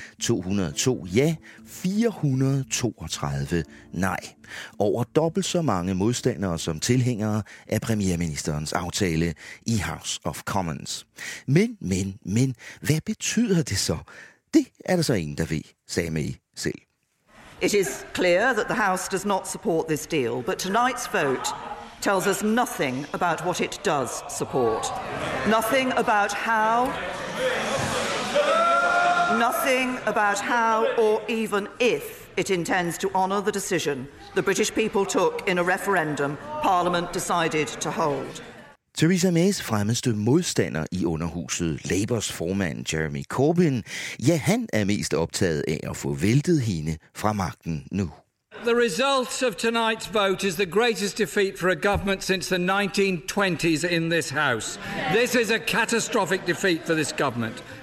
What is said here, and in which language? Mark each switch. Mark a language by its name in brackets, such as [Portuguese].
[Danish] 202 ja, 432 nej. Over dobbelt så mange modstandere som tilhængere af premierministerens aftale i House of Commons. Men, hvad betyder det så? Det er der så ingen, der ved, sagde May selv. [English] It is clear that the House does not support this deal, but tonight's vote tells us nothing about what it does support. Nothing about how. Nothing about how or even if it intends to honour the decision the British people took in a referendum Parliament decided to hold. [Danish] Theresa Mays fremmeste modstander i underhuset, Labours formand Jeremy Corbyn, ja, han er mest optaget af at få væltet hende fra magten nu. [English] The result of tonight's vote is the greatest defeat for a government since the 1920s in this house. This is a catastrophic defeat for this government.